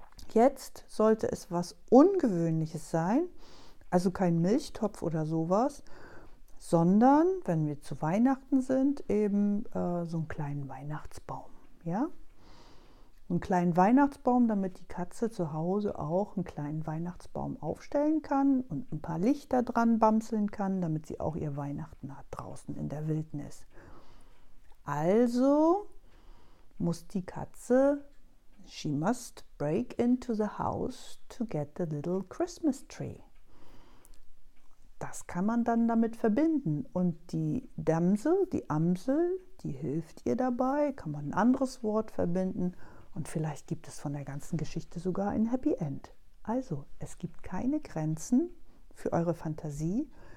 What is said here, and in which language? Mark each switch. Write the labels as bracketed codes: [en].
[de] Jetzt sollte es was Ungewöhnliches sein, also kein Milchtopf oder sowas, sondern, wenn wir zu Weihnachten sind, eben so einen kleinen Weihnachtsbaum. Ja? Einen kleinen Weihnachtsbaum, damit die Katze zu Hause auch einen kleinen Weihnachtsbaum aufstellen kann und ein paar Lichter dran bamseln kann, damit sie auch ihr Weihnachten hat draußen in der Wildnis. Also muss die Katze, [en] she must break into the house to get the little Christmas tree. [de] Das kann man dann damit verbinden. Und die Damsel, die Amsel, die hilft ihr dabei, kann man ein anderes Wort verbinden. Und vielleicht gibt es von der ganzen Geschichte sogar ein Happy End. Also, es gibt keine Grenzen für eure Fantasie.